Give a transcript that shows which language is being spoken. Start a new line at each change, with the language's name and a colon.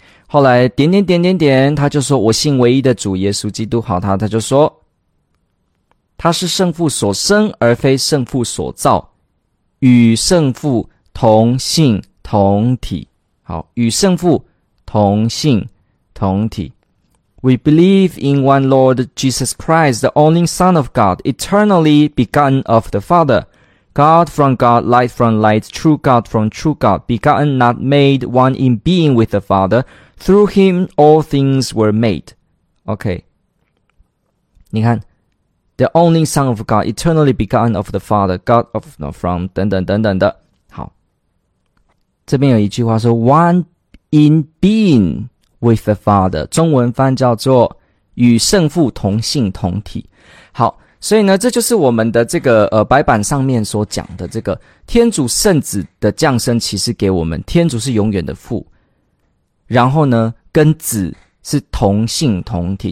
Chinese: 后来点点点点点，他就说我信唯一的主耶稣基督。好，他就说他是圣父所生而非圣父所造，与圣父同性同体。好，与圣父同性同体。
English: We believe in one Lord Jesus Christ, the only Son of God, eternally begotten of the Father, God from God, light from light, true God from true God, begotten, not made, one in being with the Father. Through him all things were made. Okay.
Chinese: 你看
English: The only Son of God, eternally begotten of the Father, God of, no, from,
Chinese: 等等等等的。好，这边有一句话说
English: one in being,with the Father，
Chinese: 中文翻叫做与圣父同性同体。好，所以呢这就是我们的这个白板上面所讲的这个天主圣子的降生，其实给我们天主是永远的父，然后呢跟子是同性同体。